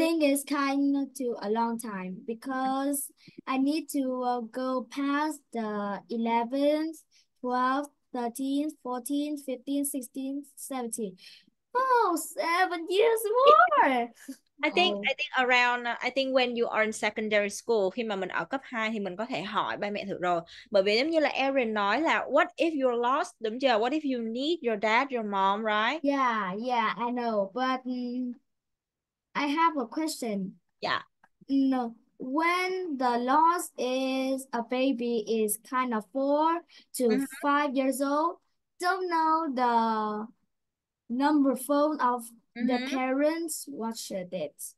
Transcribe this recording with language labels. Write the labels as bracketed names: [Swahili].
[English] think it's kind of to a long time because I need to go past the 11th, 12th, 13th, 14th, 15th, 16th, 17th. Oh, 7 years more. I think when you are in secondary school, [Vietnamese] khi mà mình ở cấp 2 thì mình có thể hỏi ba mẹ thử rồi. Bởi vì giống như là Erin nói là [English] what if you're lost, [Vietnamese] đúng chưa? [English] What if you need your dad, your mom, right? Yeah, I know. But I have a question. Yeah. No, when the lost is a baby is kind of 4 to 5 years old, don't know the number phone of the parents, what should it?